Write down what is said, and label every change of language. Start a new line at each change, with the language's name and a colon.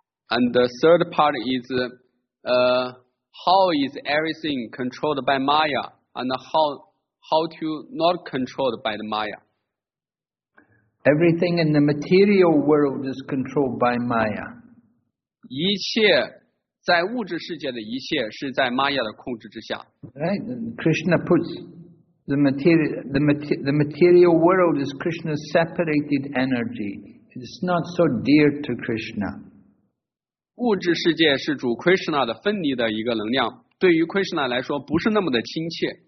English: And the third part is, how is everything controlled by Maya, and how to not controlled by the Maya? Everything in the material world is controlled by Maya.
Chinese: 一切 在物质世界的一切是在Maya的控制之下。
English: Right, Krishna puts The material world is Krishna's separated energy. It's not so dear to Krishna.
Chinese: 物质世界是主 Krishna的分离的一个能量, 对于 Krishna来说不是那么的亲切。